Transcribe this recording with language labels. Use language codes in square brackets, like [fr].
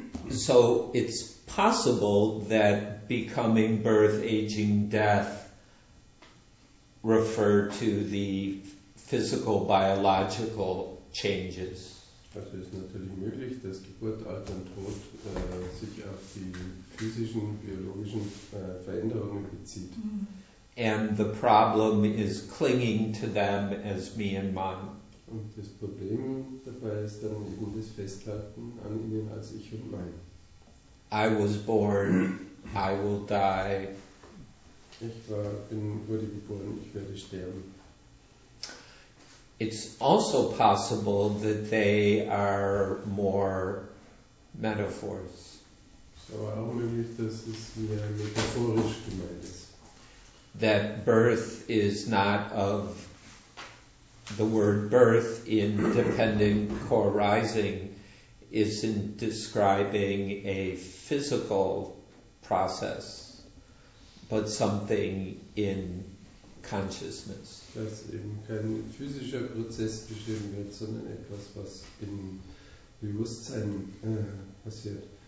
[en] So it's possible that becoming, birth, aging, death refer to the physical, biological changes. [de] Also es ist natürlich möglich, dass Geburt, Alter und Tod sich auf die physischen, biologischen Veränderungen bezieht. [en] And the problem is clinging to them as me and mine. [de] Und das Problem dabei ist dann eben das Festhalten an ihnen als ich und mein. [en] I was born, I will die. [de] Wurde geboren, ich werde sterben. [en] It's also possible that they are more metaphors. [de] So auch möglich, dass es mehr metaphorisch gemeint ist. [en] That birth is not of the word birth in dependent core rising isn't describing a physical process, but something in consciousness. [de] Dass eben kein physischer Prozess beschrieben wird, sondern etwas, was im Bewusstsein passiert.